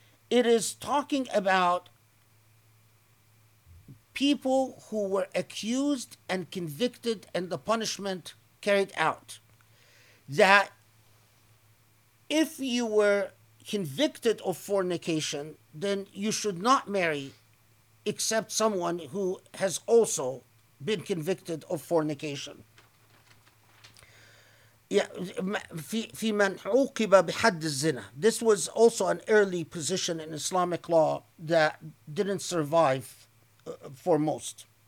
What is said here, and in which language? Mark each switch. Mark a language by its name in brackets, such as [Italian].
[English] It is talking about people who were accused and convicted and the punishment carried out. That if you were convicted of fornication, then you should not marry except someone who has also been convicted of fornication. [Arabic] Yeah, في من عوقب بحد الزنا. [English] This was also an early position in Islamic law that didn't survive for most.